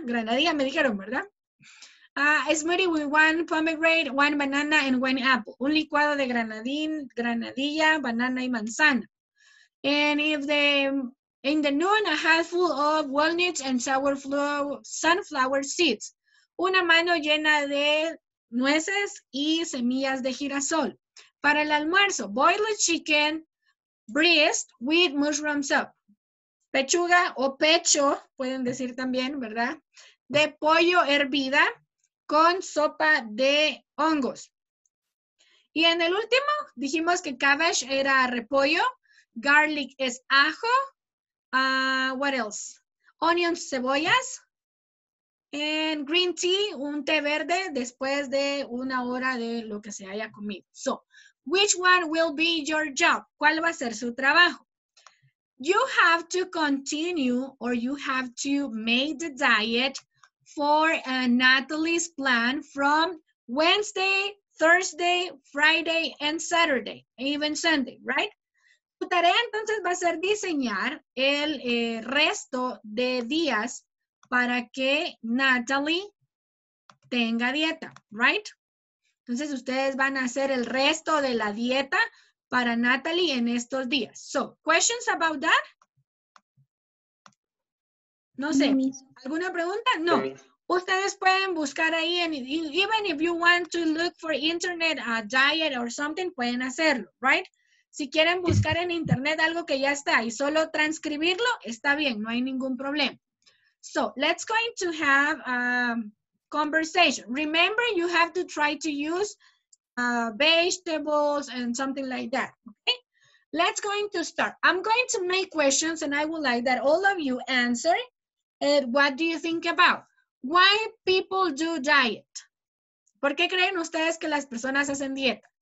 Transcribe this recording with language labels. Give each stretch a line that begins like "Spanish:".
Spanish: Granadilla me dijeron, ¿verdad?
English: Smoothie with one pomegranate, one banana, and one apple.
Spanish: Un licuado de granadilla, banana y manzana.
English: And if the... In the noon, a handful of walnuts and sunflower seeds.
Spanish: Una mano llena de nueces y semillas de girasol. Para el almuerzo,
English: boiled chicken braised with mushroom soup.
Spanish: Pechuga o pecho, pueden decir también, ¿verdad? De pollo hervida con sopa de hongos. Y en el último, dijimos que cabbage era repollo, garlic es ajo.
English: What else?
Spanish: Onions, cebollas.
English: And green tea,
Spanish: un té verde después de una hora de lo que se haya comido.
English: So, which one will be your job?
Spanish: ¿Cuál va a ser su trabajo?
English: You have to continue or you have to make the diet for Natalie's plan from Wednesday, Thursday, Friday, and Saturday, even Sunday, right?
Spanish: Tu tarea entonces va a ser diseñar el resto de días para que Natalie tenga dieta, right? Entonces ustedes van a hacer el resto de la dieta para Natalie en estos días.
English: So, questions about that?
Spanish: No sé. ¿Alguna pregunta? No. Ustedes pueden buscar ahí,
English: even if you want to look for internet, a diet or something,
Spanish: pueden hacerlo, right? Si quieren buscar en internet algo que ya está y solo transcribirlo, está bien, no hay ningún problema.
English: So, let's going to have a conversation. Remember, you have to try to use vegetables and something like that, okay? Let's going to start. I'm going to make questions and I would like that all of you answer it. What do you think about? Why people do diet?
Spanish: ¿Por qué creen ustedes que las personas hacen dieta?